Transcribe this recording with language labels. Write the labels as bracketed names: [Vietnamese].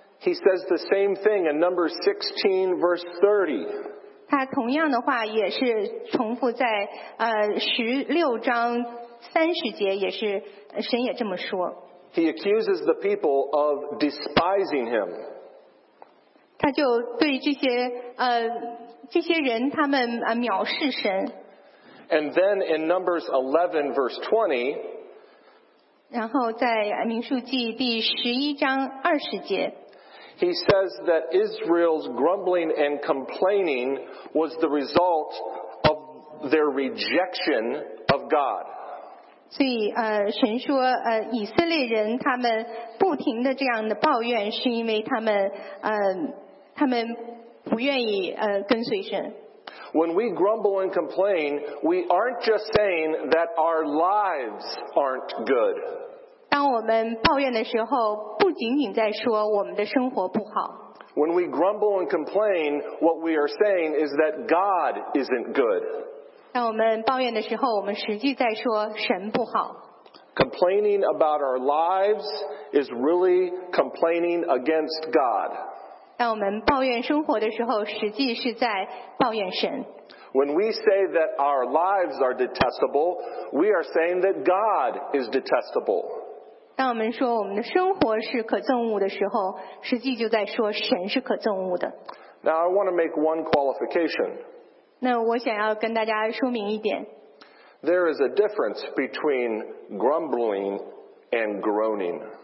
[English] He says the same thing in Numbers 16 verse 30. [Chinese] 他同样的话也是重复在16章30节，也是神也这么说。 [English] He accuses the people of despising him. [Chinese] 他就对这些人他们藐视神。 [English] And then in Numbers 11 verse 20, [Chinese] 然后在民数记第十一章二十节， [English] He says that Israel's grumbling and complaining was the result of their rejection of God. [Chinese] 所以神说以色列人他们不停的这样的抱怨是因为他们他们不愿意跟随神。 [English] When we grumble and complain, we aren't just saying that our lives aren't good. [Chinese] 当我们抱怨的时候，不仅仅在说我们的生活不好。 [English] When we grumble and complain, what we are saying is that God isn't good. [Chinese] 当我们抱怨的时候，我们实际在说神不好。 [English] Complaining about our lives is really complaining against God. [Chinese] 当我们抱怨生活的时候，实际是在抱怨神。 [English] When we say that our lives are detestable, we are saying that God is detestable. [Chinese] 当我们说我们的生活是可憎恶的时候，实际就在说神是可憎恶的。 [English] Now I want to make one qualification. [Chinese] 那我想要跟大家说明一点。 [English] There is a difference between grumbling and groaning.